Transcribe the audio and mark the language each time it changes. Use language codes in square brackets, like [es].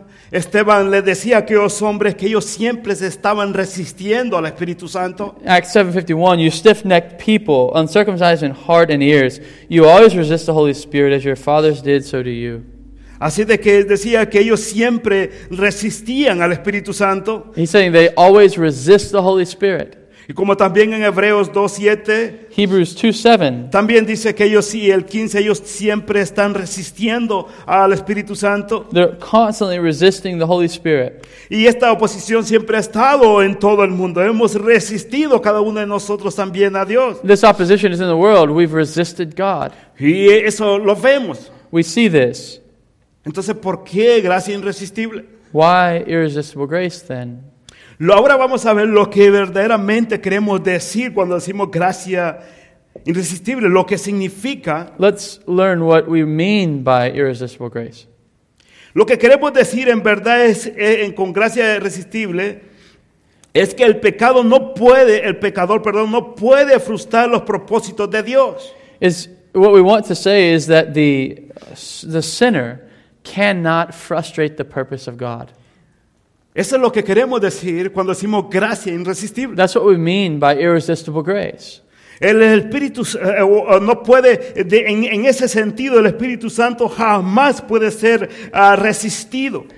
[es] Esteban le decía a aquellos hombres que ellos siempre se estaban resistiendo al Espíritu Santo. [en] Acts 7:51, you stiff-necked people, uncircumcised in heart and ears, you always resist the Holy Spirit as your fathers did, so do you. [es] Así de que decía que ellos siempre resistían al Espíritu Santo. [en] He's saying they always resist the Holy Spirit. [es] Y como también en Hebreos 2:7, [en] Hebrews 2:7, [es] también dice que ellos sí, el 15, ellos siempre están resistiendo al Espíritu Santo. [en] They're constantly resisting the Holy Spirit. [es] Y esta oposición siempre ha estado en todo el mundo. Hemos resistido cada uno de nosotros también a Dios. [en] This opposition is in the world. We've resisted God. [es] Y eso lo vemos. [en] We see this. [es] Entonces, ¿por qué gracia irresistible? [en] Why irresistible grace then? [es] Ahora vamos a ver lo que verdaderamente queremos decir cuando decimos gracia irresistible, lo que significa. [en] Let's learn what we mean by irresistible grace. [es] Lo que queremos decir en verdad es, con gracia irresistible, es que el pecador no puede frustrar los propósitos de Dios. [en] Is what we want to say is that the sinner cannot frustrate the purpose of God. [es] Eso es lo que queremos decir cuando decimos gracia irresistible. [en] That's what we mean by irresistible grace. [es] El Espíritu no puede, en ese sentido, el Espíritu Santo jamás puede ser resistido.